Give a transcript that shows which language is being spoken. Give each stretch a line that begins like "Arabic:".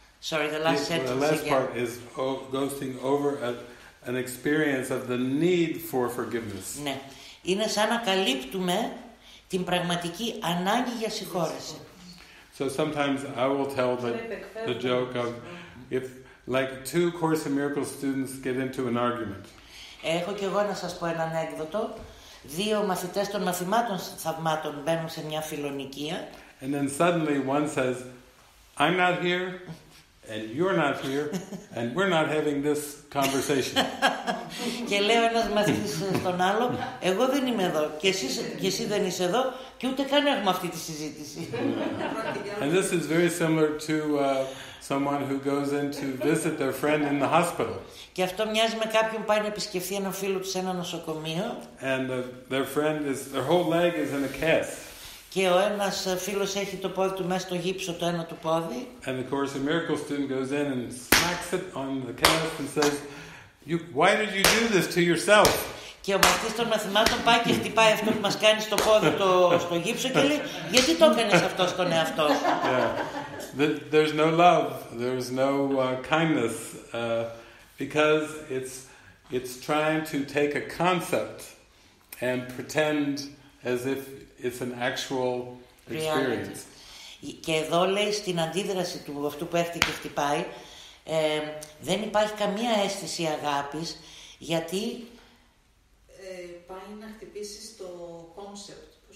English: Sorry, the last sentence. The last again. Part is ghosting over an experience of the need for forgiveness.
Greek: Ναι. Είναι σαν να καλύπτουμε την πραγματική ανάγκη για συγχώρεση.
English: So sometimes I will tell the joke of if like two Course in Miracles students get into an argument.
Greek: Έχω και εγώ να σας πω ένα ανέκδοτο. Δύο μαθητές των μαθημάτων θαυμάτων μπαίνουν σε μια φιλονικία.
English: And then suddenly one says, I'm not here, and you're not here, and we're not having this conversation.
Greek: Και λέω ένας μαθητής στον άλλο, εγώ δεν είμαι εδώ, και εσύ δεν είσαι εδώ, και ούτε καν έχουμε αυτή τη συζήτηση.
English: And this is very similar to someone who goes in to visit their friend in the hospital.
Greek: Και αυτό μοιάζει με κάποιον που πάει να επισκεφθεί έναν φίλο του σε ένα νοσοκομείο.
English: And their friend is, their whole leg is in a cast.
Greek: Και ο ένας φίλος έχει το πόδι του μέσα στο γύψο, το ένα του πόδι.
English: And the Course in Miracles student goes in and smacks it on the cast and says, "You, why did you do this to yourself?"
Greek: Και ο μαθητής των μαθημάτων πάει και χτυπάει αυτό που μας κάνει στο πόδι το στο γύψο και λέει, "Γιατί το έκανες αυτό στον εαυτό σου?"
English: Yeah. There's no love. There's no kindness. Because it's trying to take a concept and pretend as if it's an actual experience.
Greek: Και εδώ λέει στην αντίδραση του αυτού που έρχεται και χτυπάει, δεν υπάρχει καμία αίσθηση αγάπης, γιατί πάει να χτυπήσει το concept.